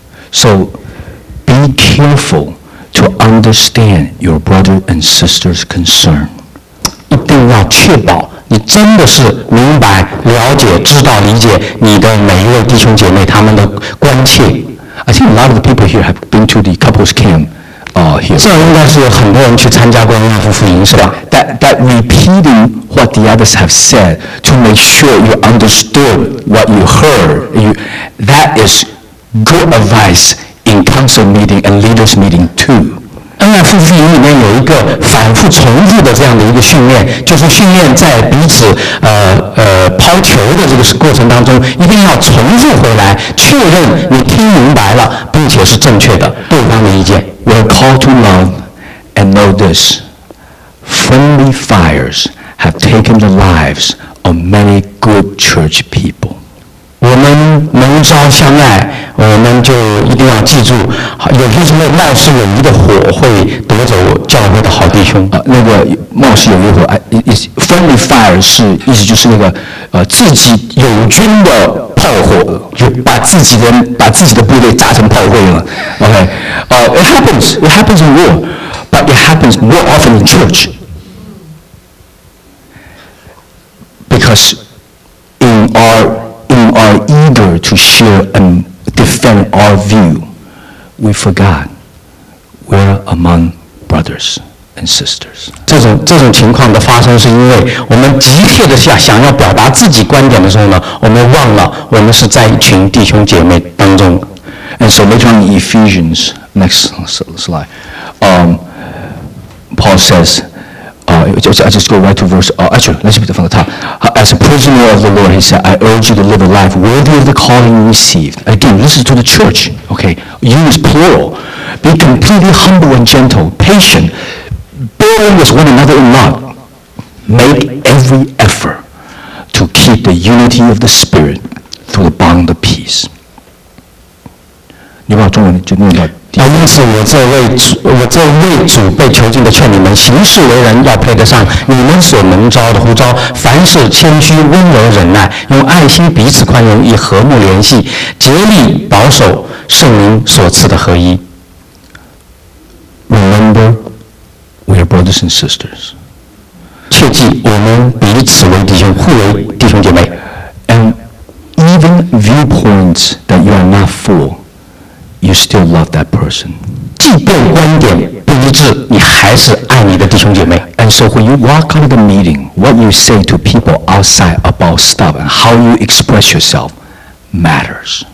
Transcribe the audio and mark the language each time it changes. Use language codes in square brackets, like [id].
[en] So, be careful to understand your brother and sister's concern. [zh] 一定要确保你真的是明白、了解、知道、理解你的每一位弟兄姐妹他们的关切。 [en] I think a lot of the people here have been to the couples camp here. [zh] 这应该是有很多人去参加过那副福音，是吧？ [en] That repeating what the others have said to make sure you understood what you heard, that is good advice in council meeting and leaders meeting too. [zh] 那副福音里面有一个反复重复的这样的一个训练，就是训练在彼此抛球的这个过程当中，一定要重复回来确认你听明白了，并且是正确的对方的意见。 [en] We're called to love and know this. Friendly fires have taken the lives of many good church people. [zh] 我们能烧相爱，我们就一定要记住，有些时候貌似友谊的火会夺走教会的好弟兄。那个貌似友谊火， [en] friendly fire [zh] 是意思就是那个自己友军的炮火，就把自己的部队炸成炮灰了。 [en] OK， it happens in war， but it happens more often in church because in our eager to share and defend our view, we forgot we're among brothers and sisters. [zh] 这种情况的发生是因为我们急切的想要表达自己观点的时候呢，我们忘了我们是在一群弟兄姐妹当中。 [en] And so later on in Ephesians, next slide, Paul says,let's from the top. As a prisoner of the Lord, he said, I urge you to live a life worthy of the calling you received. Again, listen to the church, okay? You is plural. Be completely humble and gentle, patient, bearing with one another in love. Make every effort to keep the unity of the Spirit through the bond of peace. [zh] 你把中文就念到因此我这位主被囚禁的劝你们行事为人要配得上你们所蒙召的呼召凡事谦虚温柔忍耐用爱心彼此宽容以和睦联系竭力保守圣灵所赐的合一 [en] Remember we are brothers and sisters [zh] 切记我们彼此为弟兄互为弟兄姐妹 [en] And even viewpoints that you are not for You still love that person. [zh] 即便观点不一致，你还是爱你的弟兄姐妹。 [en] And so when you walk out of the meeting, what you say to people outside about stuff and how you express yourself matters.